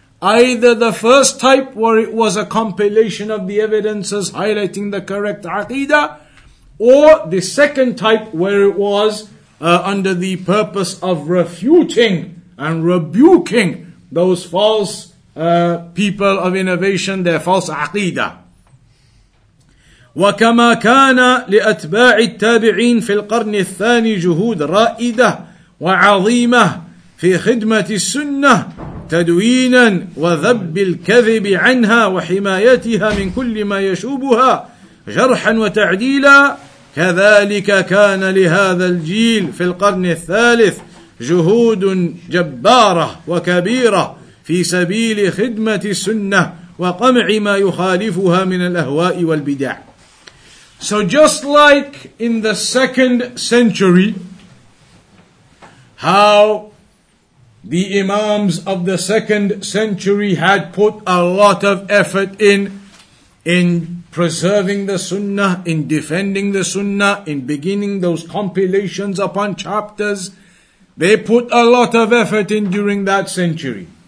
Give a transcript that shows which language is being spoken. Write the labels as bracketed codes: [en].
[en] Either the first type, where it was a compilation of the evidences highlighting the correct Aqidah, or the second type, where it was under the purpose of refuting and rebuking those false people of innovation, their false Aqidah. [ar] وكما كان لأتباع التابعين في القرن الثاني جهود رائدة وعظيمة في خدمة السنة تدوينا وذب الكذب عنها وحمايتها من كل ما يشوبها جرحا وتعديلا كذلك كان لهذا الجيل في القرن الثالث جهود جبارة وكبيرة في سبيل خدمة السنة وقمع ما يخالفها من الأهواء والبدع. [en] So just like in the second century, how the imams of the second century had put a lot of effort in preserving the sunnah, in defending the sunnah, in beginning those compilations upon chapters, they put a lot of effort in during that century.